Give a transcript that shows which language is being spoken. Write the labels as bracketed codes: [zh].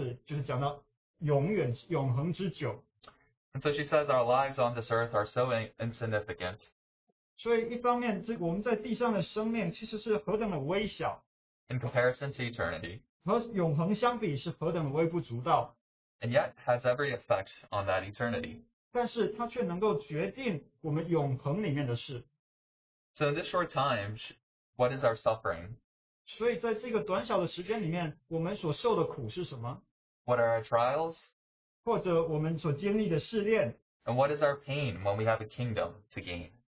[zh] 那这一整条这么长的绳子，就是讲到永远永恒之久. [en] And so she says our lives on this earth are so insignificant. [zh] 所以一方面，这我们在地上的生命其实是何等的微小. [en] In comparison to eternity. [zh] 和永恒相比，是何等的微不足道. [en] And yet has every effect on that eternity. So in this short time, what is our suffering? [zh] 所以在这个短小的时间里面,我们所受的苦是什么? [en] What are our trials? [zh] 或者我们所经历的试炼? [en] And what is our pain when we have a kingdom to gain?